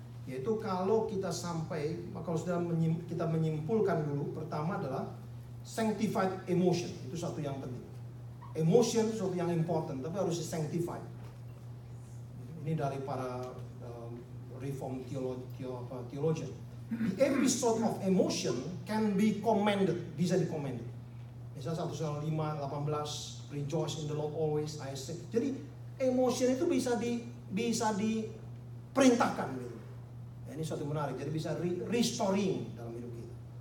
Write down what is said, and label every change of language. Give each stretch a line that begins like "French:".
Indonesian: Yaitu kalau kita sampai, kalau sudah kita menyimpulkan dulu, pertama adalah sanctified emotion, itu satu yang penting. Emotion sesuatu yang important, tapi harus sanctified. Ini dari para reform theologian.
English: The episode of emotion can be commanded,
Indonesian: bisa dikomanded.
English: Misalnya 1 Samuel 5:18, rejoice in the Lord always, I say.
Indonesian: Jadi emotion itu bisa diperintahkan. Gitu. Ini suatu menarik, jadi bisa restoring dalam hidup kita.